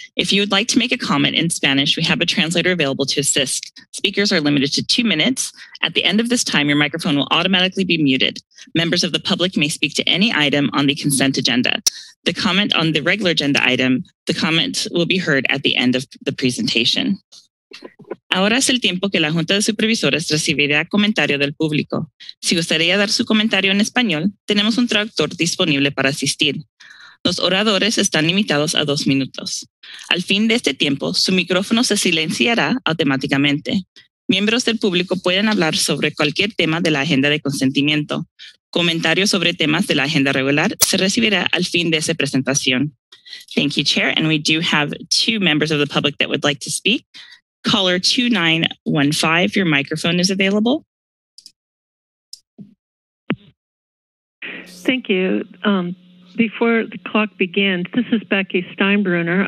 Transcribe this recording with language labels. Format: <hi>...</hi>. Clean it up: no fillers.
<en>If you would like to make a comment in Spanish, we have a translator available to assist. Speakers are limited to 2 minutes. At the end of this time, your microphone will automatically be muted. Members of the public may speak to any item on the consent agenda. The comment on the regular agenda item, the comment will be heard at the end of the presentation.</en> <es>Ahora es el tiempo que la Junta de Supervisores recibirá comentario del público. Si gustaría dar su comentario en español, tenemos un traductor disponible para asistir. Los oradores están limitados a 2 minutos. Al fin de este tiempo, su micrófono se silenciará automáticamente. Miembros del público pueden hablar sobre cualquier tema de la agenda de consentimiento. Comentarios sobre temas de la agenda regular se recibirá al fin de esa presentación.</es> <en>Thank you, Chair. And we do have 2 members of the public that would like to speak. Caller 2915, your microphone is available. Thank you. Before the clock begins, this is Becky Steinbruner.</en>